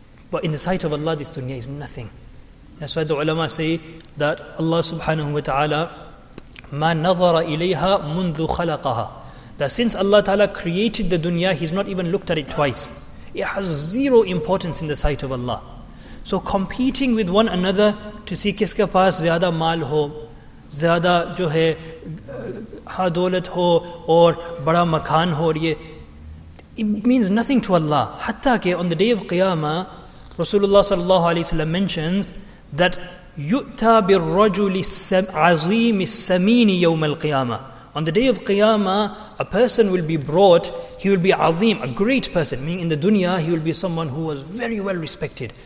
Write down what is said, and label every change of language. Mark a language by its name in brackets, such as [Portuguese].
[English] But in the sight of Allah, this dunya is nothing. That's why the ulama say that Allah subhanahu wa ta'ala, [Arabic] ما نظر إليها منذ خلقها. [English] That since Allah ta'ala created the dunya, He's not even looked at it twice. It has zero importance in the sight of Allah. So competing with one another to see [Urdu] کسکے پاس زیادہ مال ہو، زیادہ جو ہے ہدولت ہو، [English] or [Urdu] بڑا مکان ہو، یہ، [English] it means nothing to Allah. Hatta ke on the day of Qiyamah, Rasulullah sallallahu alayhi wa sallam mentions that [Arabic] yu'ta bir rajuli azim is-samini yawm al-qiyamah. [English] On the day of Qiyamah, a person will be brought, he will be azim, a great person, meaning in the dunya he will be someone who was very well respected.